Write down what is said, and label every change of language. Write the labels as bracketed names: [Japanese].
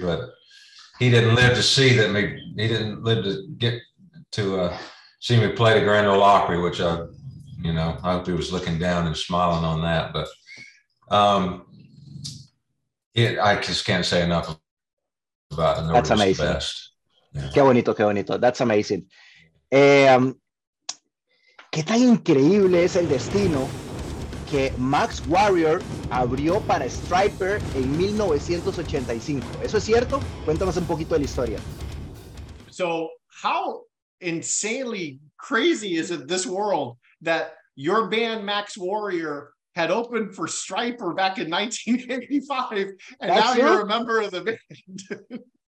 [English] But he didn't live to see that me. He didn't live to get to see me play the Grand Ole Opry, which I hope he was looking down and smiling on that. But I just can't say enough about it. That's amazing. The best. Yeah. [Spanish] Qué bonito, qué bonito. [English] That's amazing. [Spanish] Qué tan increíble es el destino que Max Warrior abrió para Stryper en 1985. ¿Eso es cierto? Cuéntanos un poquito de la historia. [English] So, how insanely crazy is it, this world, that your band Max Warrior had opened for Stryper back in 1985, and that's now it? You're a member of the band.